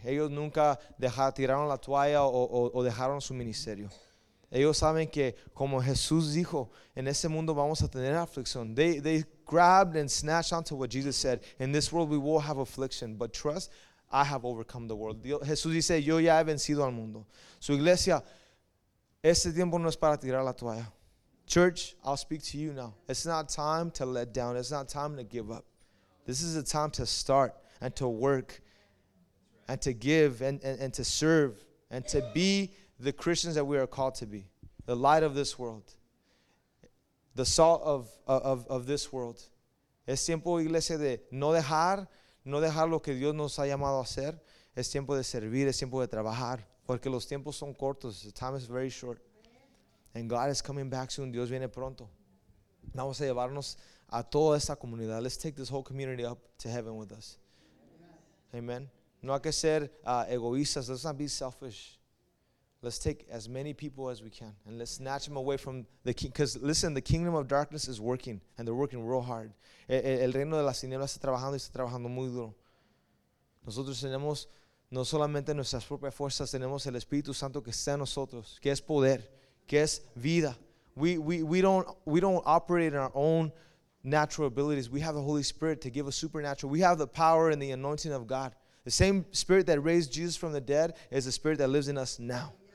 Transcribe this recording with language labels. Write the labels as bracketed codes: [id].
[es] Ellos nunca tiraron la toalla o dejaron su ministerio. Ellos saben que como Jesús dijo, en este mundo vamos a tener aflicción. [en] They grabbed and snatched onto what Jesus said. In this world we will have affliction, but trust, I have overcome the world. [es] Jesús dice, yo ya he vencido al mundo. Su iglesia, este tiempo no es para tirar la toalla. [en] Church, I'll speak to you now. It's not time to let down. It's not time to give up. This is a time to start and to work and to give and to serve and to be the Christians that we are called to be, the light of this world, the salt of this world. [es] Es tiempo, iglesia, de no dejar lo que Dios nos ha llamado a hacer. Es tiempo de servir, es tiempo de trabajar, porque los tiempos son cortos. [en] The time is very short. And God is coming back soon. [es] Dios viene pronto. Vamos a llevarnos a toda esta comunidad. [en] Let's take this whole community up to heaven with us. Amen. [es] No hay que ser egoístas. [en] Let's not be selfish. Let's take as many people as we can and let's snatch them away from the king. Because listen, the kingdom of darkness is working and they're working real hard. [es] El reino de las tinieblas está trabajando y está trabajando muy duro. Nosotros tenemos no solamente nuestras propias fuerzas, tenemos el Espíritu Santo que está en nosotros, que es poder, que es vida. [en] We don't operate in our own natural abilities. We have the Holy Spirit to give us supernatural. We have the power and the anointing of God. The same Spirit that raised Jesus from the dead is the Spirit that lives in us now.